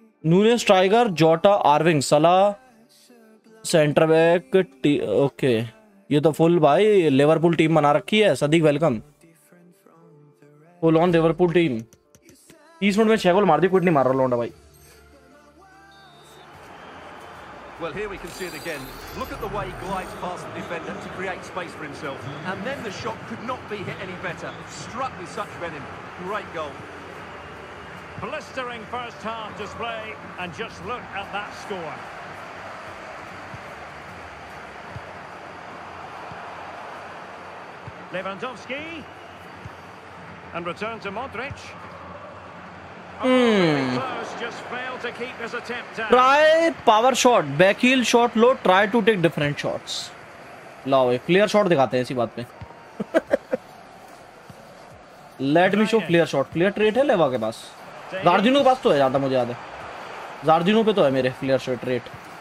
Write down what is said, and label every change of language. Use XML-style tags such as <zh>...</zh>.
<hi>नूने स्ट्राइगर जोटा आर्विंग सला centre back. Okay ये तो फुल भाई लिवरपूल टीम बना रखी है. Sadiq welcome. Full on Liverpool team. 30 minute में 6 गोल मार दिए. कुछ नहीं मार रहा लौंडा भाई.</hi> <en>Well, here we can see it again. Look at the way he glides past the defender to create space for himself. And then the shot could not be hit any better. Struck with such venom. Great goal. Blistering first half display. And just look at that score. Lewandowski. And return to Modric. Try power shot, back heel shot low, try to take different shots.</en> <hi>लाओ एक clear shot दिखाते हैं इसी बात पे.</hi> <en>Let me show clear shot.</en> <hi>Clear trait है लेवा के पास. जार्डिनो के पास तो है ज्यादा मुझे याद है. जार्डिनो पे तो है मेरे clear shot trait.</hi>